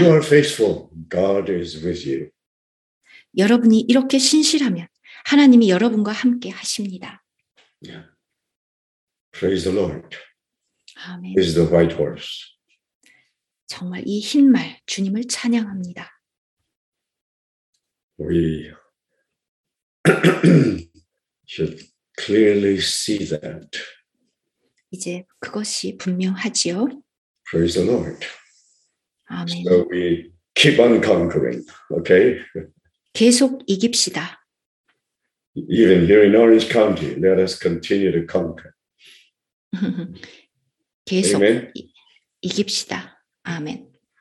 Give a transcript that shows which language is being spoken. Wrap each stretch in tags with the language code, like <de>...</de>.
<en>If you are faithful, God is with you.</en> <ko>여러분이 이렇게 신실하면 하나님이 여러분과 함께 하십니다.</ko> <en>Yeah. Praise the Lord. Amen. Is the white horse.</en> <ko>정말 이 흰 말 주님을 찬양합니다.</ko> <en>We should clearly see that.</en> <ko>이제 그것이 분명하지요.</ko> <en>Praise the Lord. Amen. So we keep on conquering, okay?</en> <ko>계속 이깁시다.</ko> <en>Even here in Orange County, let us continue to conquer.</en> <ko>계속 Amen. 이깁시다. 아멘.</ko>